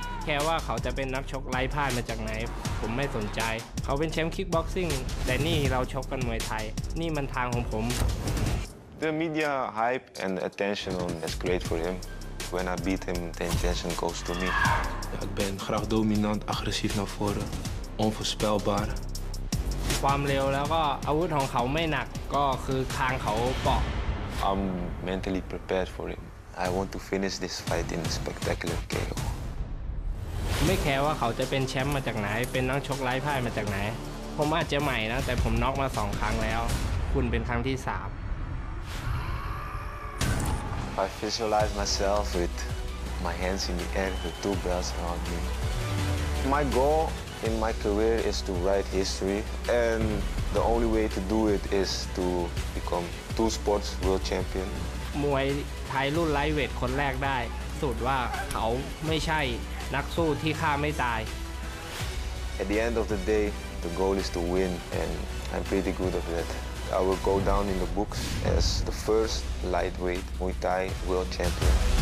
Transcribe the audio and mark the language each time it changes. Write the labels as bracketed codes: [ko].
[th] แค่ว่าเขาจะเป็นนักชกไร้พ่ายมาจากไหนผมไม่สนใจเขาเป็นแชมป์คิกบ็อกซิ่งแต่นี่เราชกกันมวยไทยนี่มันทางของผม [en] The media hype and attention on is great for him. When I beat him, the attention goes to me. [nl] Ik ben graag dominant, agressief naar voren, onvoorspelbaar. [th] ความเร็วแล้วก็อาวุธของเขาไม่หนักก็คือคางเขาเปาะ [en] I'm mentally prepared for him. I want to finish this fight in a spectacular KO. [th] ไม่แคร์ว่าเขาจะเป็นแชมป์มาจากไหนเป็นนักชกไร้พ่ายมาจากไหนผมอาจจะใหม่นะแต่ผมน็อกมา2 ครั้งแล้วุณเป็นครั้งที่3 [en] I visualize myself with my hands in the air with two belts around me. My goal in my career is to write history and the only way to do it is to become two sports world champion. [th] มวยไทยรุ่นไลท์เวทคนแรกได้สุดว่าเขาไม่ใช่นักสู้ที่ฆ่าไม่ตาย [en] At the end of the day the goal is to win andI'm pretty good at that. I will go down in the books as the first lightweight Muay Thai world champion.